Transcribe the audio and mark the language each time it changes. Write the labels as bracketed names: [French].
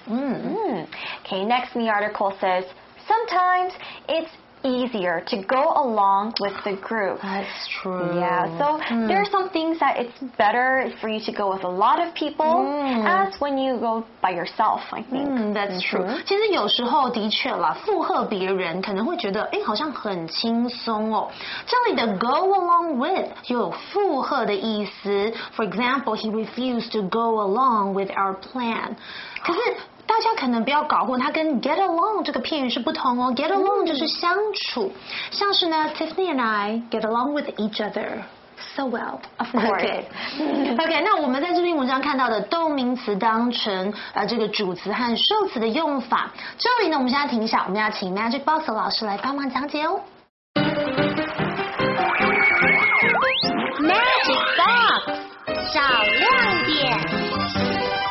[English] Okay, next the article says, sometimes it'seasier to go along with the group. That's true. Yeah, so there are some things that it's better for you to go with a lot of people as when you go by yourself, I think. That's true. [Chinese] 其实有时候的确啦，附和别人可能会觉得诶好像很轻松哦。这里的 go along with 有附和的意思。 [English] For example, he refused to go along with our plan. [Chinese] 可是大家可能不要搞混，它跟 get along 这个片语是不同哦。 get along 就是相处，像是呢 ， Tiffany and I get along with each other so well. [English] Of course. Okay. [Chinese] Okay. 那我们在这篇文章看到的动名词当成这个主词和受词的用法，这里呢，我们现在停一下，我们要请 Magic Box 老师来帮忙讲解哦。 Magic Box 找亮点。